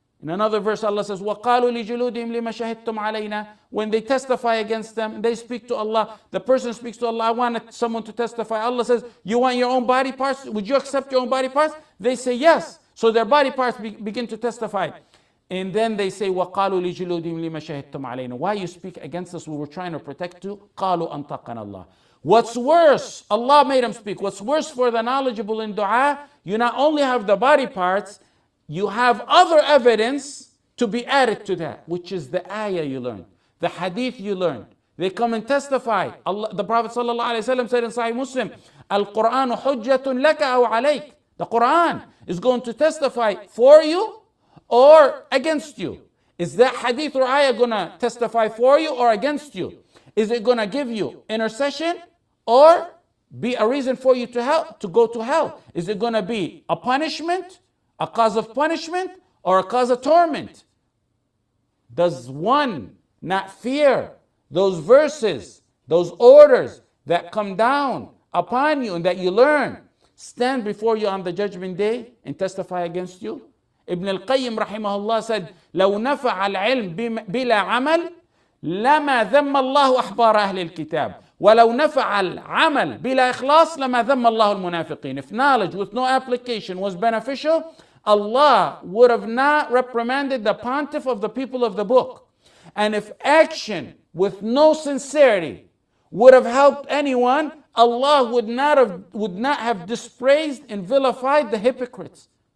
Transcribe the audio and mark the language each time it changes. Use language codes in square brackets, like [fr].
[en] In another verse, Allah says, [ar] وَقَالُوا لِجُلُودِهِمْ لِمَا شَهِدْتُمْ عَلَيْنَا. [en] When they testify against them, they speak to Allah. The person speaks to Allah, I want someone to testify. Allah says, you want your own body parts? Would you accept your own body parts? They say, yes. So their body parts begin to testify. And then they say, [ar] وَقَالُوا لِجُلُودِهِمْ لِمَا شَهِدْتُمْ عَلَيْنَا. [en] Why you speak against us? We were trying to protect you. [ar] قَالُوا أَنْطَقَنَا اللَّهِ. [en] What's worse, Allah made him speak. What's worse for the knowledgeable in dua, you not only have the body parts, you have other evidence to be added to that, which is the ayah you learned, the hadith you learned. They come and testify. Allah, the Prophet sallallahu alayhi wa sallam said in Sahih Muslim, [ar] Al-Quran hujjatun laka aw alayk. [en] The Quran is going to testify for you or against you. Is that hadith or ayah going to testify for you or against you? Is it going to give you intercession or be a reason for you to go to hell? Is it going to be a punishment, a cause of punishment, or a cause of torment? Does one not fear those verses, those orders that come down upon you and that you learn stand before you on the judgment day and testify against you? Ibn al-Qayyim rahimahullah said, [ar] لو نفع العلم بلا عمل لما ذم الله أحبار أهل الكتاب. ولو نفع العمل بلا إخلاص لما ذم الله المنافقين. [en] If knowledge with no application was beneficial, Allah would have not reprimanded the pontiff of the people of the book. And if action with no sincerity would have helped anyone, Allah would not have dispraised and vilified the hypocrites.